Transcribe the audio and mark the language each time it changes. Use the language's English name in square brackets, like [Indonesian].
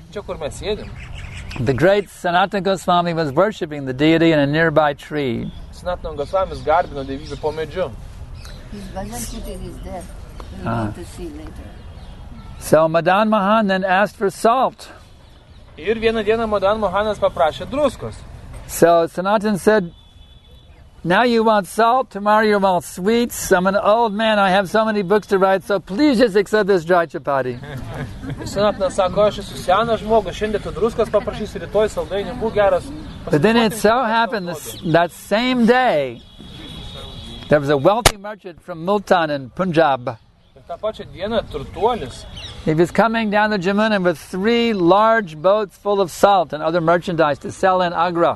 [Lithuanian] Čia kur mes sėdim. [English] The great Sanatana Goswami was worshipping the deity in a nearby tree. [Lithuanian] Sanatana Goswami garbino devybę po medžiu. [English] His Bhagavad is there. We'll need to see later. So Madan Mohan then asked for salt. [Lithuanian] Ir vieną dieną Madan Mohanas paprašė druskos. [English] So Sanatan said, now you want salt, tomorrow you want sweets. I'm an old man, I have so many books to write, so please just accept this dry chapati. [Lithuanian] Sanatana sako, aš esu senas žmogus, šiandien tu druskos paprašysi, rytoj saldainių, būk geras. [English] But then it so happened that same day, there was a wealthy merchant from Multan in Punjab. He was coming down the Jamuna with three large boats full of salt and other merchandise to sell in Agra.